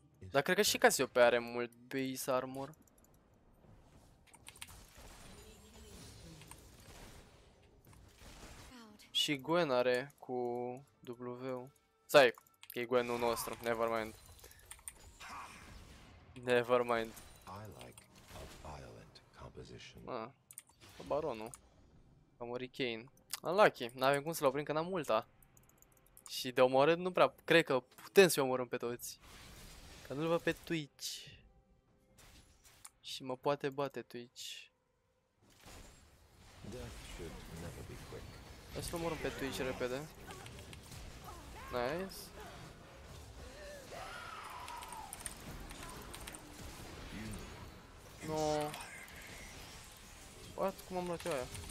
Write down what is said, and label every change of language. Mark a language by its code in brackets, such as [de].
[ro] Dar cred că și Cassiopeia are mult base armor. Și Gwen are cu W-ul. Stai, că e Gwen-ul nostru, [en] never mind. Never mind. I like a violent composition. [ro] Ah, baronul. A murit Kane. Unlucky, n-avem cum să-l oprim, că n-am multa. Și de omorât nu prea, cred că putem să-i omorâm pe toți. Că nu-l văd pe Twitch. Și mă poate bate Twitch. [en] Death should never be quick. [ro] Hai să-l omorâm pe Twitch repede. [en] Nice. No. What? [ro] Cum am luat eu aia?